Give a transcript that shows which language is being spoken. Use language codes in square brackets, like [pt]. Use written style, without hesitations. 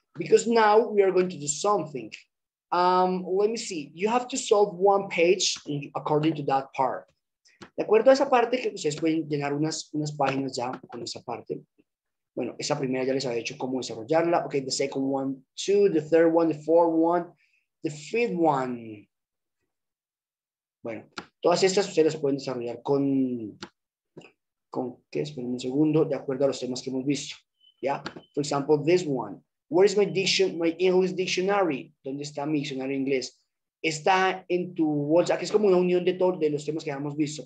[en] Because now we are going to do something. Let me see. You have to solve one page according to that part. [es] De acuerdo a esa parte que ustedes pueden llenar unas páginas ya con esa parte. Bueno, esa primera ya les había dicho cómo desarrollarla. [en] Okay, the second one, two, the third one, the fourth one, the fifth one. [es] Bueno, todas estas ustedes las pueden desarrollar con ¿qué? Esperen un segundo, de acuerdo a los temas que hemos visto. [en] Yeah, for example, this one. Where is my English dictionary? [es] ¿Dónde está mi diccionario inglés? Está en tu WhatsApp, que es como una unión de todos de los temas que habíamos visto.